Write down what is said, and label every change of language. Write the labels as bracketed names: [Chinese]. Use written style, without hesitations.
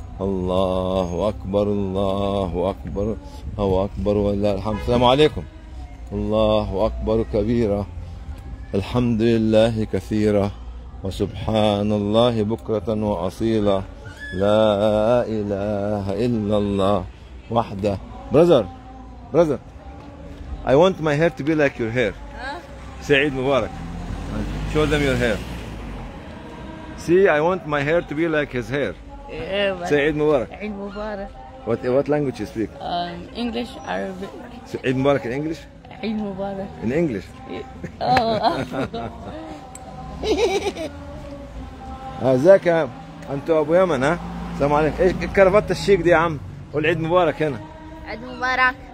[Arabic] الله أكبر الله أكبر الله أكبر ولله الحمد. السلام عليكم. الله أكبر كبيرة، الحمد لله كثيرة، وسبحان الله بكرة وأصيلة. لا إله إلا الله وحده. [English] Brother, brother, I want my hair to be like your hair. [Arabic] سعيد مبارك. [English] Show them your hair. See, I want my hair to be like his hair. [Arabic] سعيد مبارك. سعيد مبارك. [English] What language you speak? English, Arabic. [Arabic] سعيد مبارك [English] in English? [Arabic] عيد مبارك. [English] In English. [Arabic] ازيك يا انتوا ابو يمن؟ ها السلام عليكم. ايش الكرافات الشيك دي يا عم؟ قول عيد مبارك هنا. عيد مبارك.